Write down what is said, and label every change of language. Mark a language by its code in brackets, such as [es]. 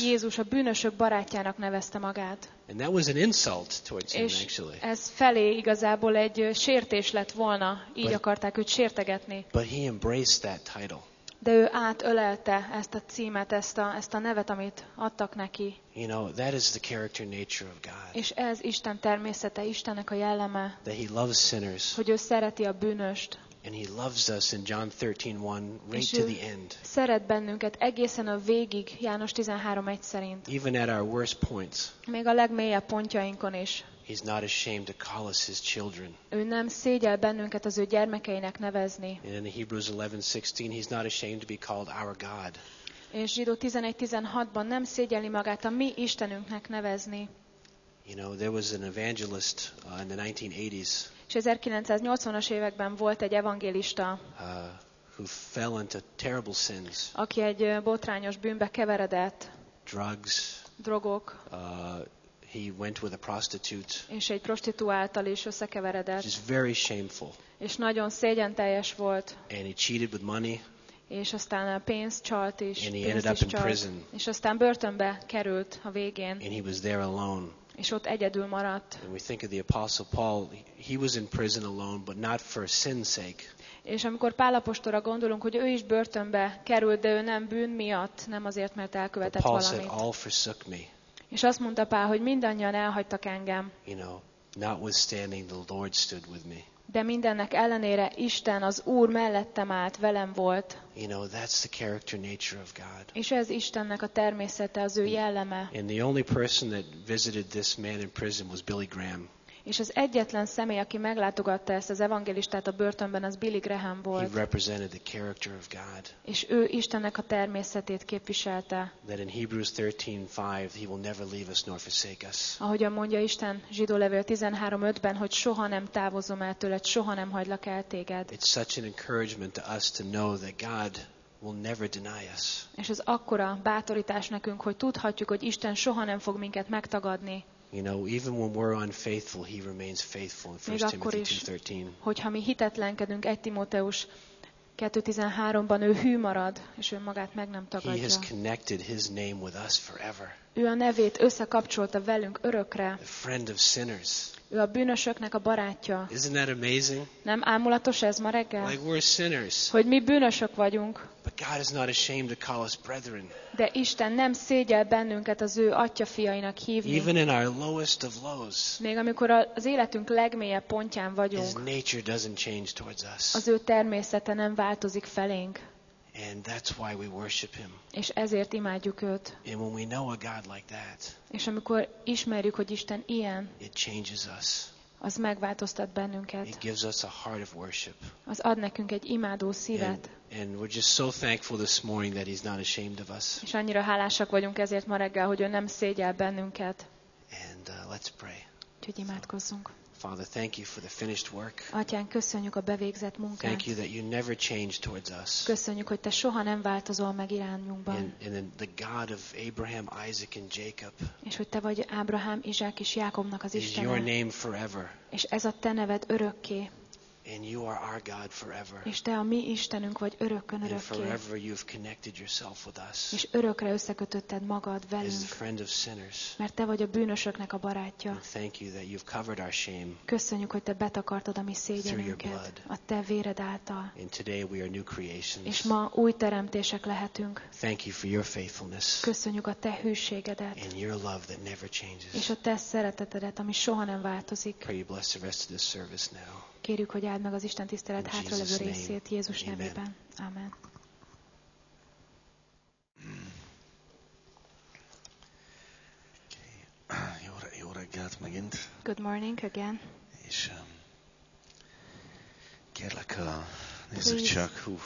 [hu] Jézus a bűnösök barátjának nevezte magát. [en] And that was an insult towards him, actually. [hu] És ez felé igazából egy sértés lett volna, így akarták őt sértegetni. [en] But he embraced that title. [hu] De ő átölelte ezt a címet, ezt a nevet, amit adtak neki. [en] You know, that is the character nature of God. [hu] És ez Isten természete, Istennek a jelleme. [en] That he loves sinners. [hu] Hogy ő szereti a bűnöst. [en] And he loves us in John 13:1 right to the end. [hu] Szeret bennünket egészen a végig, János 13:1 szerint. [en] Even at our worst points. [hu] Még a legmélyebb pontjainkon is. [en] He's not ashamed to call us his children. [hu] Ő nem szégyel bennünket az ő gyermekeinek nevezni. [en] And in Hebrews 11:16, he's not ashamed to be called our God. [hu] És Zsidó 11:16-ban nem szégyeli magát a mi Istenünknek nevezni. [en] You know, there was an evangelist in the 1980s. [hu] És 1980-as években volt egy evangélista. [en] Who fell into terrible sins. [hu] Aki egy botrányos bűnbe keveredett. [en] Drugs. [hu] Drogok. [en] He went with a prostitute. [hu] És egy prostituáltal is összekeveredett. [en] It's very shameful. [hu] És nagyon szégyenteljes volt. [en] And he cheated with money. [hu] És aztán a pénzt csalt is. [en] And he ended up in prison. [hu] És aztán börtönbe került a végén. [en] And he was there alone. [hu] És ott egyedül maradt. [en] And we think of the apostle Paul, he was in prison alone, but not for sin's sake. [hu] És amikor Pál apostolra gondolunk, hogy ő is börtönbe került, de ő nem bűn miatt, nem azért, mert elkövetett [en] Paul [hu] valamit. [en] Said, all forsook me. [hu] És azt mondta Pál, hogy mindannyian elhagytak engem. [en] You know, notwithstanding, the Lord stood with me. [hu] De mindennek ellenére Isten, az Úr mellettem állt, velem volt. [en] You know, that's the character nature of God. [hu] És ez Istennek a természete, az ő jelleme. [en] And the only person that visited this man in prison was Billy Graham. [hu] És az egyetlen személy, aki meglátogatta ezt az evangélistát a börtönben, az Billy Graham volt. [en] He represented the character of God. [hu] És ő Istennek a természetét képviselte. [en] That in Hebrews 13:5 he will never leave us nor forsake us. [hu] Ahogyan mondja Isten Zsidólevél 13:5-ben, hogy soha nem távozom el tőled, soha nem hagylak el téged. [en] It's such an encouragement to us to know that God will never deny us. [hu] És ez akkora bátorítás nekünk, hogy tudhatjuk, hogy Isten soha nem fog minket megtagadni. [en] You know, even when we're unfaithful, he remains faithful in 1 Timothy 2:13. [hu] Hogyha mi hitetlenkedünk, 1 Timóteus 2:13-ban ő hű marad, és ő magát meg nem tagadja. [en] He has connected his name with us forever. [hu] Ő a nevét összekapcsolta velünk örökre. [en] The friend of sinners. [hu] Ő a bűnösöknek a barátja. [en] Isn't that amazing? [hu] Nem ámulatos ez ma reggel? [en] Like we're sinners. [hu] Hogy mi bűnösök vagyunk. [en] But God is not ashamed to call us brethren. [hu] De Isten nem szégyel bennünket az ő atyafiainak hívni. [en] Even in our lowest of lows. [hu] Még amikor az életünk legmélyebb pontján vagyunk. [en] His nature doesn't change towards us. [hu] Az ő természete nem változik felénk. [en] And that's why we worship him. [hu] És ezért imádjuk őt. [en] And when we know a God like that, [hu] és amikor ismerjük, hogy Isten ilyen, [en] it changes us. [hu] Az megváltoztat bennünket. [en] It gives us a heart of worship. [hu] Az ad nekünk egy imádó szívet. [en] And we're just so thankful this morning that he's not ashamed of us. [hu] És annyira hálásak vagyunk ezért ma reggel, hogy ő nem szégyel bennünket. [en] And let's pray. [hu] Úgyhogy imádkozzunk. [en] Father, thank you for the finished work. [hu] Atyán, köszönjük a bevégzett munkát. [en] Thank you that you never change towards us. [hu] Köszönjük, hogy te soha nem változol meg irányunkban. [en] And the God of Abraham, Isaac and Jacob. [hu] És hogy te vagy Ábrahám, Izsák és Jákobnak az Istene. [en] Is your name forever. [hu] És ez a te neved örökké. [en] And you are our God forever. [hu] És te a mi Istenünk vagy örökkön örökké. [en] And forever you've connected yourself with us. [hu] És örökre összekötötted magad velünk. [en] As the friend of sinners. [hu] Mert te vagy a bűnösöknek a barátja. [en] And thank you that you've covered our shame. [hu] Köszönjük, hogy te betakartod a mi szégyenünket a te véred által. [en] And today we are new creations. [hu] És ma új teremtések lehetünk. [en] Thank you for your faithfulness. [hu] Köszönjük a te hűségedet. [en] And your love that never changes. [hu] És a te szeretetedet, ami soha nem változik. [en] Pray you bless the rest of this service now. [hu] Kérjük, hogy áld meg az Isten tisztelet hátralevő részét Jézus nevében. [en] Amen. [hu] Okay. Jó reggelt megint. [en] Good morning again. [hu] És kérlek, nézzük csak.